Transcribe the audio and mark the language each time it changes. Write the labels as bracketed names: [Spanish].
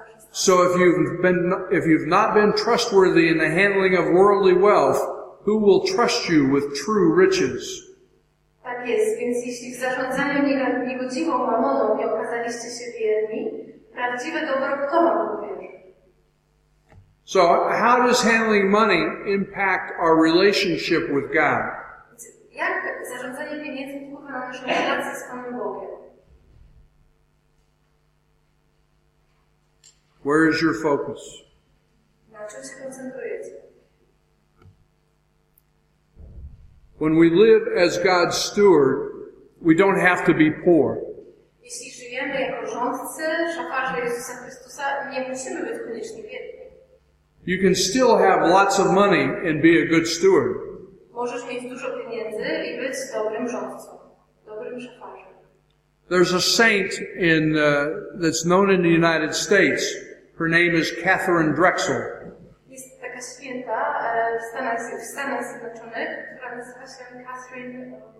[English] So if you've not been trustworthy in the handling of worldly wealth, who will trust you with true riches? [Polish] Tak jest, więc jeśli w zarządzaniu niegodziwą mamoną nie okazaliście się wierni, prawdziwe dobro kto wam uwierzy? [English] So how does handling money impact our relationship with God? [Polish] Jak zarządzanie pieniędzmi wpływa na naszą relację z Panem Bogiem? [English] Where is your focus? [Polish] Na czym się koncentrujecie? [English] When we live as God's steward, we don't have to be poor. [Polish] Jeśli żyjemy jako rządcy, szafarze Jezusa Chrystusa, nie musimy być koniecznie biedni. [English] You can still have lots of money and be a good steward. [Polish] Możesz mieć dużo pieniędzy i być dobrym rządcą, dobrym szafarzem. [English] There's a saint in that's known in the United States. Her name is Catherine Drexel. [Polish] Jest taka święta w Stanach Zjednoczonych, która nazywa się Catherine